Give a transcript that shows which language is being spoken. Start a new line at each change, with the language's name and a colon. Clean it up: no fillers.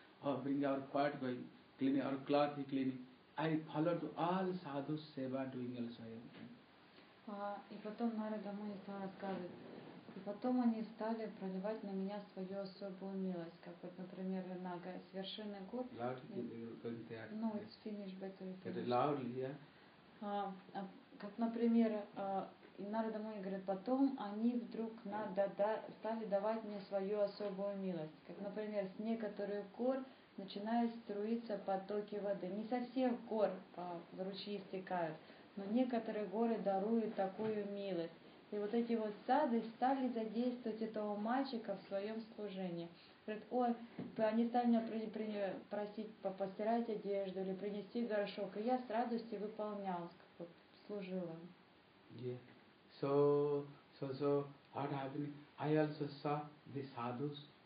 English: Oh, bring our pot going, cleaning our cloth, he cleaning. I follow to all sadhus seva doing also.
Russian: И потом Нарада Муни стал рассказывать. И потом они стали проливать на меня свою особую милость, как вот, например, Нага, с вершины гор.
English: Ну, it's finished, better finish.
Russian: Как, например, Нарада Муни говорит, потом они вдруг стали давать мне свою особую милость. Как, например, с некоторых гор начинают струиться потоки воды. Не со всех гор в ручьи истекают. Но некоторые горы даруют такую милость. И вот эти вот сады стали задействовать этого мальчика в своем служении. Говорят, ой, они стали меня просить постирать одежду или принести горшок. И я с радостью выполнял, как вот служил им.
English: Yeah. So, what happened? I also saw the sadhus.